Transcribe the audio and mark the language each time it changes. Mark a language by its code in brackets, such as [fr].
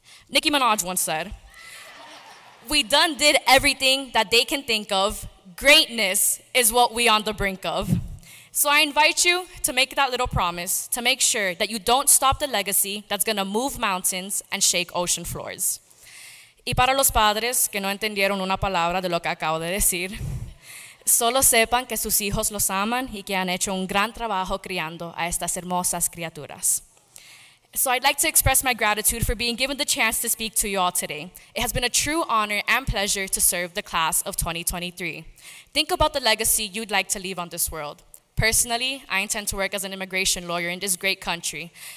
[en] Nicki Minaj once said, "We done did everything that they can think of. Greatness is what we on the brink of." So I invite you to make that little promise to make sure that you don't stop the legacy that's going to move mountains and shake ocean floors. [es] Y para los padres que no entendieron una palabra de lo que acabo de decir, solo sepan que sus hijos los aman y que han hecho un gran trabajo criando a estas hermosas criaturas. [en] So I'd like to express my gratitude for being given the chance to speak to you all today. It has been a true honor and pleasure to serve the class of 2023. Think about the legacy you'd like to leave on this world. Personally, I intend to work as an immigration lawyer in this great country.